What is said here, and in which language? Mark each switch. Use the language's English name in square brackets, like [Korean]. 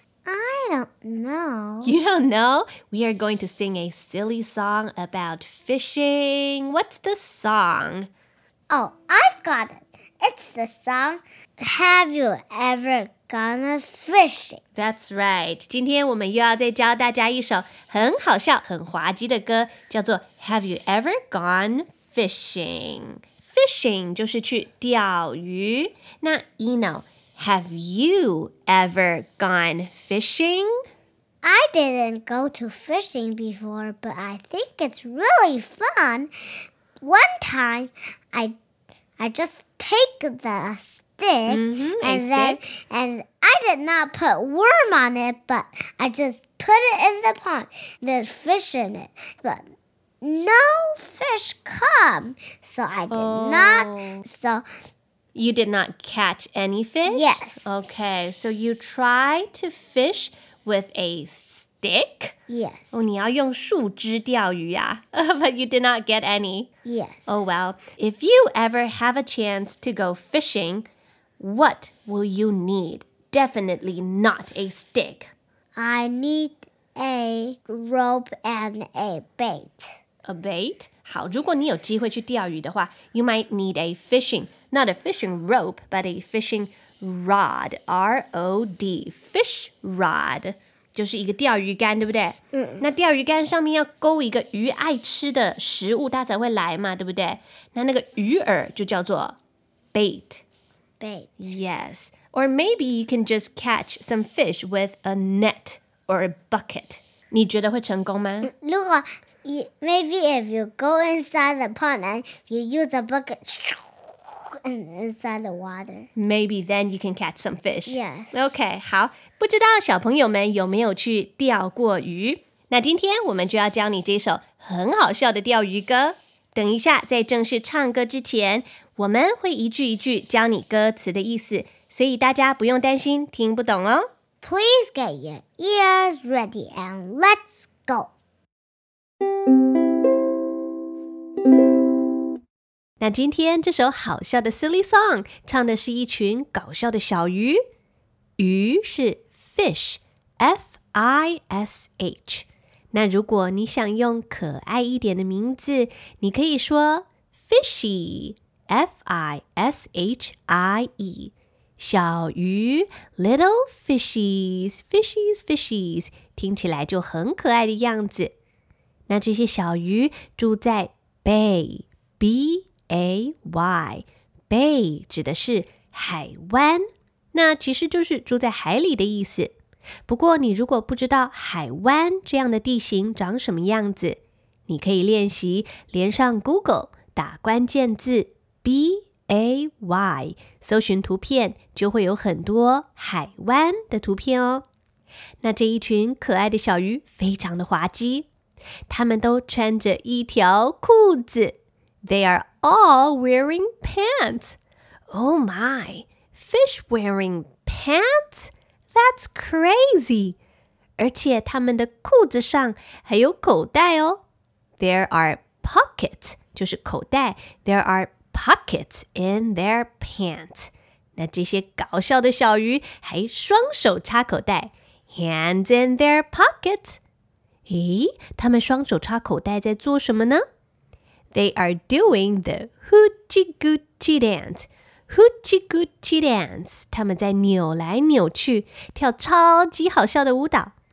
[English] I don't know. You don't know? We are going to sing a silly song about fishing. What's the song? Oh, I've got it. It's the song, Have You Ever Gone a Fishing? That's right. [Chinese] 今天我们又要再教大家一首很好笑、很滑稽的歌，叫做 Have You Ever Gone Fishing? Fishing 就是去钓鱼。 [English] 那 Eno,Have you ever gone fishing? I didn't go to fishing before, but I think it's really fun. One time, I just take the stick, and I did not put worm on it, but I just put it in the pond. There's fish in it, but no fish come. So I did not. So... You did not catch any fish? Yes. Okay, so you try to fish with a stick? Yes. [Chinese] Oh, 你要用树枝钓鱼啊? [English] But you did not get any? Yes. Oh, well, if you ever have a chance to go fishing, what will you need? Definitely not a stick. I need a rope and a bait. A bait? [Chinese] 好,如果你有机会去钓鱼的话, [English] you might need a fishing rope. Not a fishing rope, but a fishing rod. R-O-D. Fish rod. [Chinese] 就是一个钓鱼竿，对不对？嗯。那钓鱼竿上面要勾一个鱼爱吃的食物，它才会来嘛，对不对？那那个鱼饵就叫做 bait. [English] Bait. Yes. Or maybe you can just catch some fish with a net or a bucket. [Chinese] 你觉得会成功吗？如果 [English] maybe if you go inside the pond and you use a bucket... inside the water. Maybe then you can catch some fish. Yes. Okay, [Chinese] 好。不知道小朋友们有没有去钓过鱼？那今天我们就要教你这首很好笑的钓鱼歌。等一下在正式唱歌之前，我们会一句一句教你歌词的意思，所以大家不用担心听不懂哦。 [English] Please get your ears ready and let's go. [Chinese] 那今天这首好笑的 silly song 唱的是一群搞笑的小鱼。鱼是 fish, F-I-S-H。那如果你想用可爱一点的名字，你可以说 fishy, F-I-S-H-I-E。小鱼 little fishies, fishies, fishies, 听起来就很可爱的样子。那这些小鱼住在 bay, B-A-Y, bay 指的是海湾，那其实就是住在海里的意思。不过你如果不知道海湾这样的地形长什么样子，你可以练习连上 Google 打关键字 BAY 搜寻图片，就会有很多海湾的图片哦。那这一群可爱的小鱼非常的滑稽，他们都穿着一条裤子。 [English] They are all wearing pants. Oh my, fish wearing pants? That's crazy. [Chinese] 而且他们的裤子上还有口袋哦。 [English] There are pockets, [Chinese] 就是口袋。 [English] There are pockets in their pants. [Chinese] 那这些搞笑的小鱼还双手插口袋。 [English] Hands in their pockets. [Chinese] 咦，他们双手插口袋在做什么呢？ [English] They are doing the hoochie-goochie dance. Hoochie-goochie dance. [Chinese] 他们在扭来扭去，跳超级好笑的舞蹈。